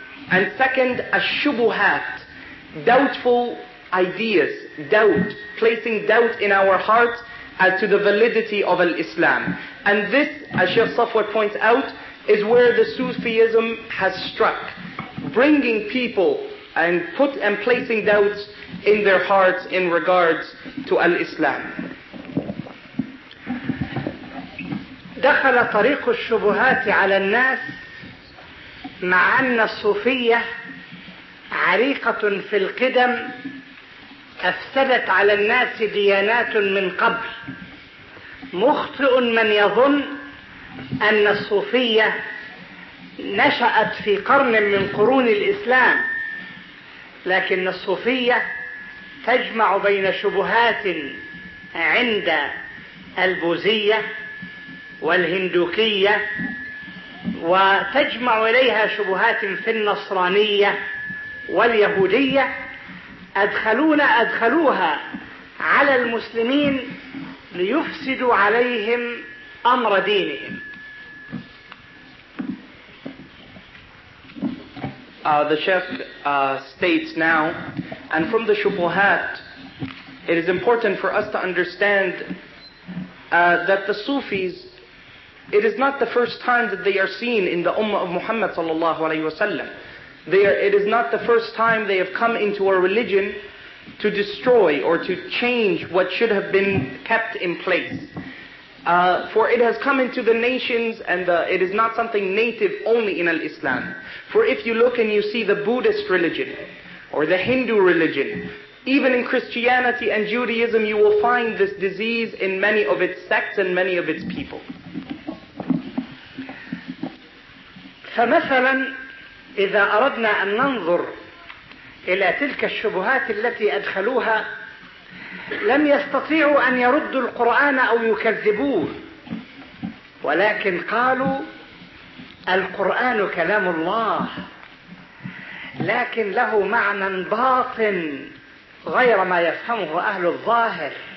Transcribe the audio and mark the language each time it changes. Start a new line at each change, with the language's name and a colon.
English: And second, ash-shubuhat, doubtful ideas, doubt, placing doubt in our hearts as to the validity of al-Islam. And this, as Sheikh Safwat points out, is where the Sufism has struck, bringing people and put and placing doubts in their hearts in regards to al-Islam.
Arabic: دخل طريق الشبهات على الناس مع أن الصوفية عريقة في القدم أفسدت على الناس ديانات من قبل، مخطئ من يظن أن الصوفية نشأت في قرن من قرون الإسلام، لكن الصوفية تجمع بين شبهات عند البوذية والهندوكية، وتجمع إليها شبهات في النصرانية واليهودية، أدخلوها على المسلمين ليفسدوا عليهم أمر دينهم.
English: The Sheikh states now, and from the Shubuhat, it is important for us to understand that the Sufis, it is not the first time that they are seen in the Ummah of Muhammad sallallahu alayhi wa sallam. It is not the first time they have come into a religion to destroy or to change what should have been kept in place. For it has come into the nations, and it is not something native only in al-Islam. For if you look and you see the Buddhist religion or the Hindu religion, even in Christianity and Judaism, you will find this disease in many of its sects and many of its people.
Arabic: فمثلا إذا أردنا أن ننظر إلى تلك الشبهات التي أدخلوها، لم يستطيعوا أن يردوا القرآن أو يكذبوه، ولكن قالوا القرآن كلام الله لكن له معنى باطن غير ما يفهمه أهل الظاهر،